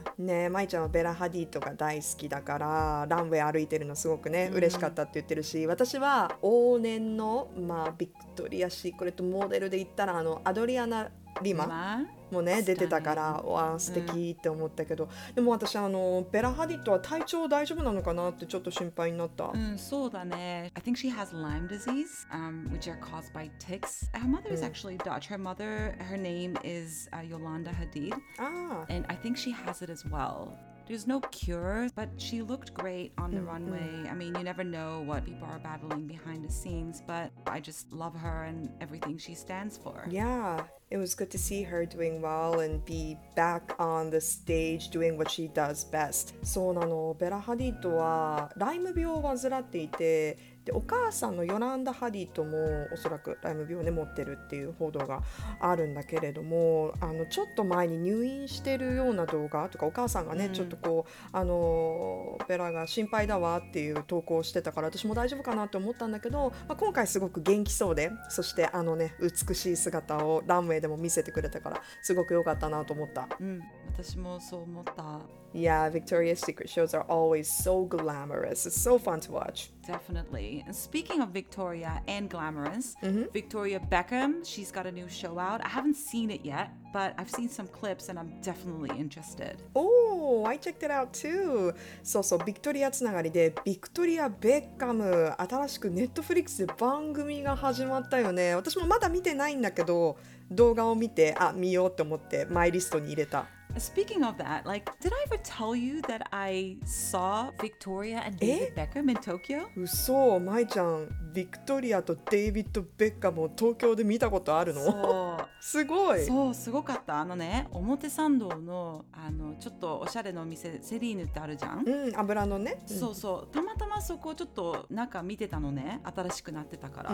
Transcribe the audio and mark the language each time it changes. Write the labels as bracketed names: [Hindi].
[Japanese] ねえ、まいちゃんはベラハディとか大好きだから、ランウェイ歩いてるのすごくね、mm-hmm. 嬉しかったって言ってるし、私は往年の、まあ、ビクトリアシークレットモデルで言ったら、アドリアナリマもね出てたから、わー素敵って思ったけど、うん、でも私ベラハディットは体調大丈夫なのかなってちょっと心配になった。うん、そうだね。 [English] I think she has Lyme disease, which are caused by ticks. Her mother is actually Dutch. Her mother, her name is Yolanda Hadid. And I think she has it as well. There's no cure, but she looked great on the runway. I mean, you never know what people are battling behind the scenes, but I just love her and everything she stands for. Yeah. It was good to see her doing well and be back on the stage doing what she does best. [Japanese] そうなの、ベラ・ハディットはライム病を患っていて、でお母さんのヨランダ・ハディットもおそらくライム病を、ね、持ってるっていう報道があるんだけれども、ちょっと前に入院してるような動画とか、お母さんがね、ちょっとこうベラが心配だわっていう投稿してたから、私も大丈夫かなと思ったんだけど、まあ、今回すごく元気そうで、そしてね、美しい姿をランウェイでも見せてくれたから、すごく良かったなと思った。うん、私もそう思った。 [English] Yeah, Victoria's Secret shows are always so glamorous. It's so fun to watch. Definitely. And speaking of Victoria and glamorous, mm-hmm. Victoria Beckham, she's got a new show out. I haven't seen it yet, but I've seen some clips and I'm definitely interested. Oh, I checked it out too. So, so, Victoria [Japanese] つながりで、Victoria Beckham、新しく Netflix で番組が始まったよね。私もまだ見てないんだけど、動画を見て、あ、見ようって思って、マイリストに入れた。 [English] Speaking of that, like, did I ever tell you that I saw Victoria and David Beckham in Tokyo? [Japanese] うそ、まいちゃん、ビクトリアとデイビッド・ベッカムを東京で見たことあるの？そう。すごい。そう、すごかった。ね、表参道の、ちょっとおしゃれのお店、セリーヌってあるじゃん？うん、油のね。そうそう。たまたまそこちょっと中見てたのね、新しくなってたから。